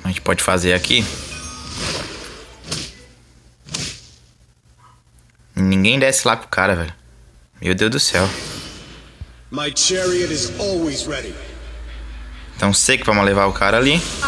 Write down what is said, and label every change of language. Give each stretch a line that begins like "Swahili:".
Portuguese: pode fazer aqui. Ninguém desce lá com o cara, velho. Meu Deus do céu.
English: My chariot is always ready.
Portuguese: Então sei que vamos levar o cara ali.